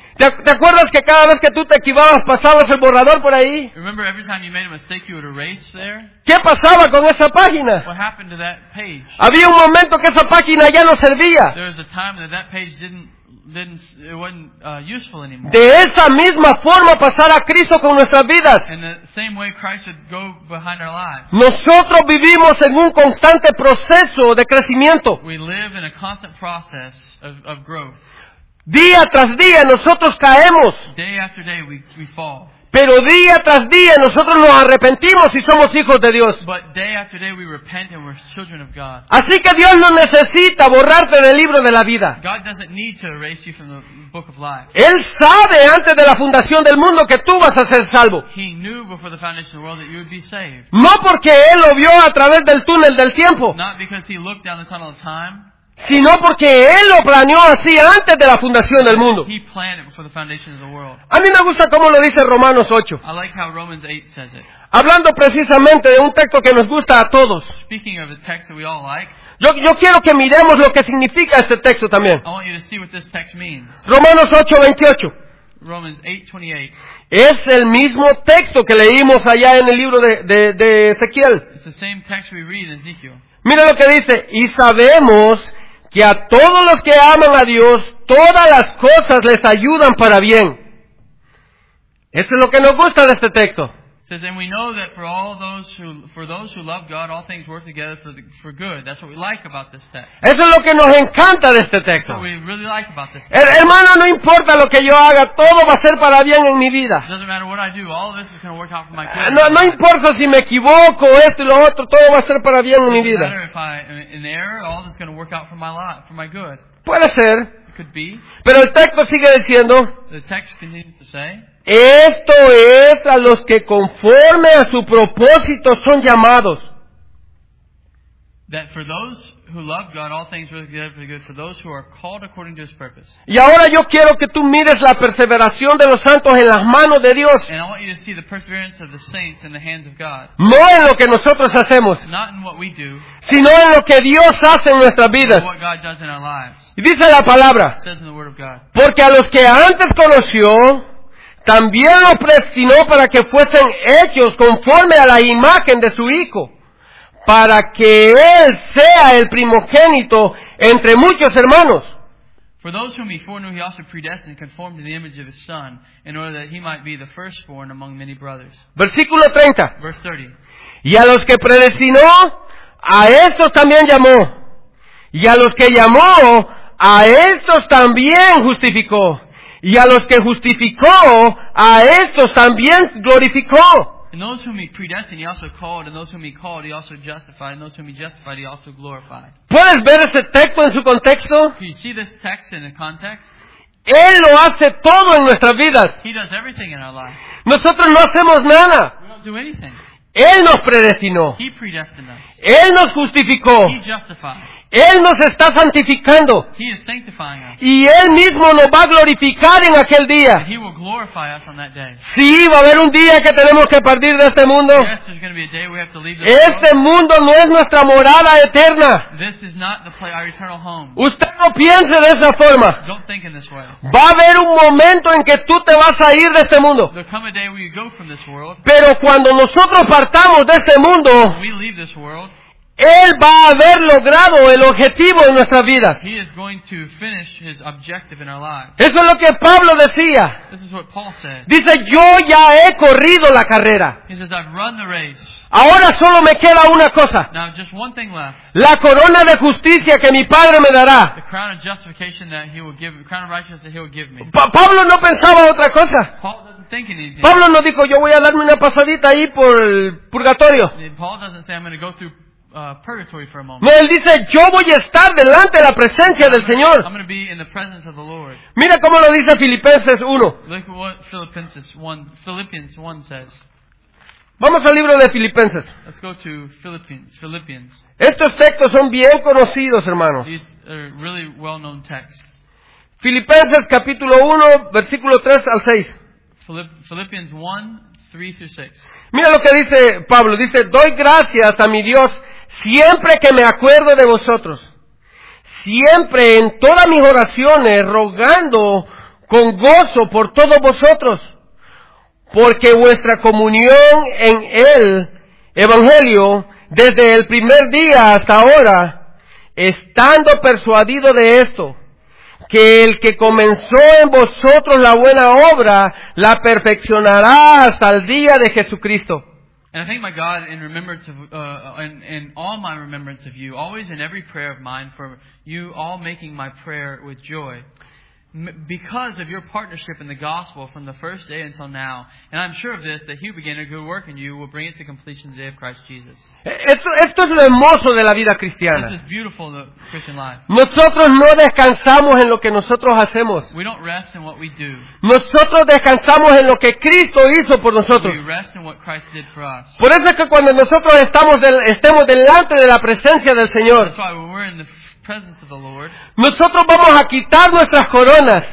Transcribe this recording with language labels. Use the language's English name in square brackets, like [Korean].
[Spanish] ¿Te acuerdas que cada vez que tú te equivocabas pasabas el borrador por ahí? [English] Remember every time you made a mistake, you would erase there? [Spanish] ¿Qué pasaba con esa página? [English] What happened to that page? [Spanish] Había un momento que esa página ya no servía. [English] There was a time that that page wasn't useful anymore. [Spanish] De esa misma forma pasar a Cristo con nuestras vidas. [English] In the same way Christ would go behind our lives. [Spanish] Nosotros vivimos en un constante proceso de crecimiento. [English] We live in a constant process of growth. [Spanish] Día tras día nosotros caemos. [English] Day after day we fall. [Spanish] Pero día tras día nosotros nos arrepentimos y somos hijos de Dios. [English] But day after day we repent and we're children of God. [Spanish] Así que Dios no necesita borrarte del libro de la vida. [English] God doesn't need to erase you from the book of life. [Spanish] Él sabe antes de la fundación del mundo que tú vas a ser salvo. [English] He knew before the foundation of the world that you would be saved. [Spanish] No porque Él lo vio a través del túnel del tiempo. [English] Not because He looked down the tunnel of time. [Spanish] Sino porque Él lo planeó así antes de la fundación del mundo. [English] He planned it before the foundation of the world. [Spanish] A mí me gusta cómo lo dice Romanos 8. [English] I like how Romans 8 says it. [Spanish] Hablando precisamente de un texto que nos gusta a todos. [English] Speaking of a text that we all like. [Spanish] Yo quiero que miremos lo que significa este texto también. [English] I want you to see what this text means. [Spanish] Romanos 8, 28. [English] Romans 8, 28. [Spanish] Es el mismo texto que leímos allá en el libro de Ezequiel. [English] It's the same text we read in Ezekiel. [Spanish] Mira lo que dice. Y sabemos que a todos los que aman a Dios, todas las cosas les ayudan para bien. Eso es lo que nos gusta de este texto. [English] Says, and we know that for those who love God, all things work together for good. That's what we like about this text. [Spanish] Eso es lo que nos encanta de este texto. [English] That's what we really like about this text. [Spanish] Hermano, no importa lo que yo haga, todo va a ser para bien en mi vida. [English] It doesn't matter what I do, all of this is going to work out for my good. [Spanish] No importa si me equivoco, esto y lo otro, todo va a ser para bien en mi vida. [English] It doesn't matter if I'm in error, all this is going to work out for my good. [Spanish] Puede ser. [English] It could be. [Spanish] Pero el texto sigue diciendo. [English] The text continues to say. [Spanish] Esto es a los que conforme a su propósito son llamados. [English] That for those who love God, all things work together for good. For those who are called according to His purpose. [Spanish] Y ahora yo quiero que tú mires la perseveración de los santos en las manos de Dios. [English] And I want you to see the perseverance of the saints in the hands of God. [Spanish] No en lo que nosotros hacemos. [English] Not in what we do. [Spanish] Sino en lo que Dios hace en nuestras vidas. [English] What God does in our lives. [Spanish] Y dice la palabra. [English] It says in the word of God. [Spanish] Porque a los que antes conoció, también lo predestinó para que fuesen hechos conforme a la imagen de su Hijo, para que Él sea el primogénito entre muchos hermanos. [English] For those whom He foreknew, He also predestined conformed to the image of His Son, in order that He might be the firstborn among many brothers. [Spanish] Versículo 30. [English] Verse 30. [Spanish] Y a los que predestinó, a estos también llamó. Y a los que llamó, a estos también justificó. Y a los que justificó, a estos también glorificó. [English] And those whom He predestined, He also called. And those whom He called, He also justified. And those whom He justified, He also glorified. [Spanish] ¿Puedes ver ese texto en su contexto? [English] Can you see this text in the context? [Spanish] Él lo hace todo en nuestras vidas. [English] He does everything in our lives. [Spanish] Nosotros no hacemos nada. [English] We don't do anything. [Spanish] Él nos predestinó. [English] He predestined us. [Spanish] Él nos justificó. [English] He justified. [Spanish] Él nos está santificando. [English] He is sanctifying us. [Spanish] Y Él mismo nos va a glorificar en aquel día. [English] And He will glorify us on that day. [Spanish] Sí, va a haber un día que tenemos que partir de este mundo. [English] Yes, there's going to be a day we have to leave this world. [Spanish] Este mundo no es nuestra morada eterna. [English] This is not the place, our eternal home. [Spanish] Usted no piense de esa forma. [English] Don't think in this way. [Spanish] Va a haber un momento en que tú te vas a ir de este mundo. [English] There come a day where you go from this world. [Spanish] Pero cuando nosotros partamos de este mundo, [English] we leave this world. [Spanish] Él va a haber logrado el objetivo en nuestras vidas. [English] He is going to finish his objective in our lives. [Spanish] Eso es lo que Pablo decía. [English] This is what Paul said. [Spanish] Dice, yo ya he corrido la carrera. [English] He says, I've run the race. [Spanish] Ahora solo me queda una cosa. [English] Now, just one thing left. [Spanish] La corona de justicia que mi Padre me dará. [English] The crown of justification that he will give, the crown of righteousness that he will give me. [Spanish] Pablo no pensaba otra cosa. [English] Paul doesn't think anything. [Spanish] Pablo no dijo, yo voy a darme una pasadita ahí por el purgatorio. [English] Paul doesn't say, I'm going to go through purgatory for a moment. [Spanish] No, él dice, yo voy a estar delante de la presencia del Señor. [English] I'm going to be in the presence of the Lord. [Spanish] Mira cómo lo dice Filipenses 1. [English] Look what Philippians 1 says. [Spanish] Vamos al libro de Filipenses. [English] Let's go to Philippians. [Spanish] Estos textos son bien conocidos, hermanos. [English] These are really well-known texts. [Spanish] Filipenses capítulo 1, versículo 3 al 6. [English] Philippians 1, 3 through 6. [Spanish] Mira lo que dice Pablo. Dice, doy gracias a mi Dios siempre que me acuerdo de vosotros, siempre en todas mis oraciones, rogando con gozo por todos vosotros, porque vuestra comunión en el Evangelio, desde el primer día hasta ahora, estando persuadido de esto, que el que comenzó en vosotros la buena obra, la perfeccionará hasta el día de Jesucristo. [English] And I thank my God in remembrance of in all my remembrance of you, always in every prayer of mine, for you all making my prayer with joy, because of your partnership in the gospel from the first day until now. And I'm sure of this, that he who began a good work in you will bring it to completion the day of Christ Jesus. [Spanish] Esto es lo hermoso de la vida cristiana. [English] This is beautiful, the Christian life. [Spanish] Nosotros no descansamos en lo que nosotros hacemos. [English] We don't rest in what we do. [Spanish] Nosotros descansamos en lo que Cristo hizo por nosotros. [English] We rest in what Christ did for us. [Spanish] Por eso es que cuando nosotros estemos delante de la presencia del Señor, [English] that's why when we're in the presence of the Lord, [Spanish] nosotros vamos a quitar nuestras coronas,